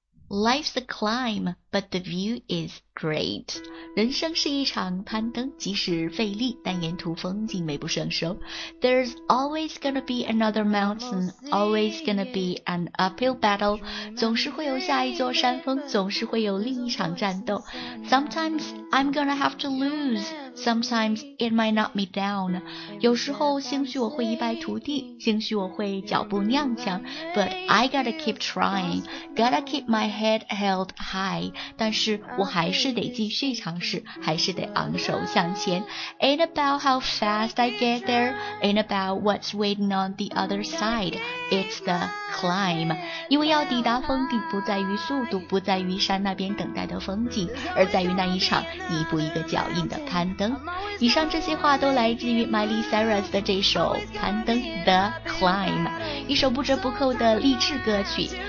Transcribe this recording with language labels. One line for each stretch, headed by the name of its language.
English: Life's a climb, but the view is great.
Chinese: 人生是一场攀登，即使费力，但沿途风景美不胜收。
English: There's always gonna be another mountain, always gonna be an uphill battle.
Chinese: 总是会有下一座山峰，总是会有另一场战斗。
English: Sometimes I'm gonna have to lose, sometimes it might knock me down.
Chinese: 有时候兴许我会一败涂地，兴许我会脚步踉跄。
English: But I gotta keep trying, gotta keep my head held high.
Chinese: 但是我还是得继续尝试，还是得昂首向前。
English: Ain't about how fast I get there, ain't about what's waiting on the other side. It's the climb.
Chinese: 因为要抵达峰顶，不在于速度，不在于山那边等待的风景，而在于那一场一步一个脚印的攀登。以上这些话都来自于 Miley Cyrus 的这首《攀登》The Climb， 一首不折不扣的励志歌曲。